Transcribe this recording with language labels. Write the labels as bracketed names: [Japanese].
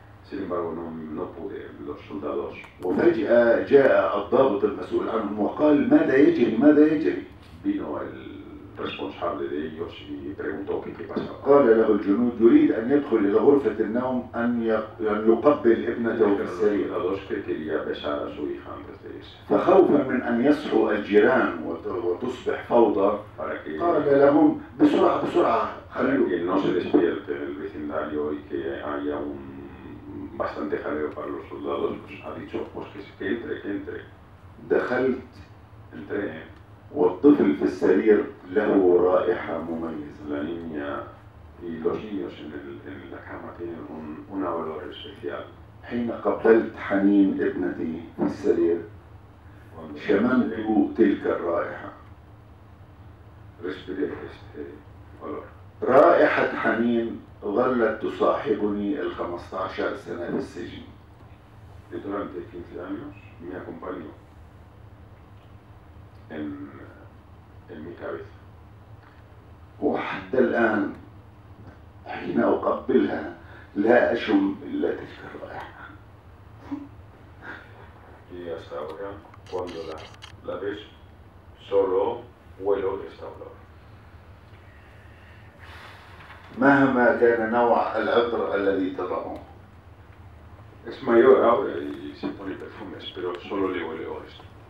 [Spanish] Sin embargo, no pude, los soldados. [Arabic] وفجأة جاء الضابط المسؤول عنهم وقال ماذا يجري ماذا يجري. [Spanish] Vino el responsable de ellos y preguntó qué qué pasaba. [Arabic] قال له الجنود يريد أن يدخل إلى غرفة النوم أن يقبل ابنته في السرير. [Spanish] Los que quería besar a su hija antes de irse. [Arabic] فخوفا من أن يصحوا الجيران وتصبح فوضى. قال لهم بسرعة بسرعة. خلوا. [Spanish] Que no se despierte el vecindario y que haya un bastante jaleo para los soldados, pues ha dicho pues que entre, que entre. [Arabic] دخلت. [Spanish] Entré. [Arabic] والطفل في السرير له رائحة مميزة. [Spanish] La niña y los niños en la cama tienen un olor especial. [Arabic] حين قبلت حنين ابنتي في السرير شممت تلك الرائحة. [Spanish] Respiré este olor. [Arabic] رائحة حنين ظلت تصاحبني ال 15 سنة في السجن. [Spanish] Durante 15 años me acompañó en mi cabeza. [Arabic] وحتى الآن حين أقبلها لا أشم إلا تلك الرائحة. [Spanish] Y hasta ahora cuando la ves solo huelo esta olor. [Arabic] مهما كان نوع العطر الذي تضعه. [Spanish] Es mayor ahora y se pone perfumes, pero solo le huele a esto.